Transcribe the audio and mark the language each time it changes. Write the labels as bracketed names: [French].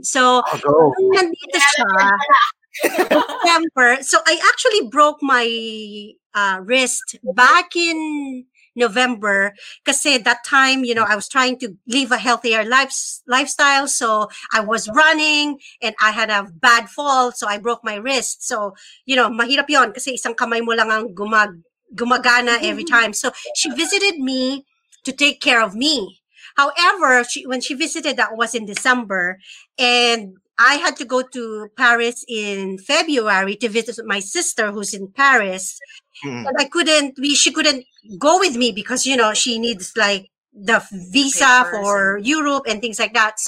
[Filipino] So, nandito siya. September. [English] So, I actually broke my wrist back in November. Kasi that time, you know, I was trying to live a healthier lifestyle. So, I was running and I had a bad fall. So, I broke my wrist. So, you know, [Filipino] mahirap yon. Kasi isang kamay mo lang ang gumagana [English] every time. So, she visited me to take care of me. However, when she visited, that was in December, and I had to go to Paris in February to visit my sister who's in Paris. Mm. And she couldn't go with me because, you know, she needs like the visa papers for Europe and things like that.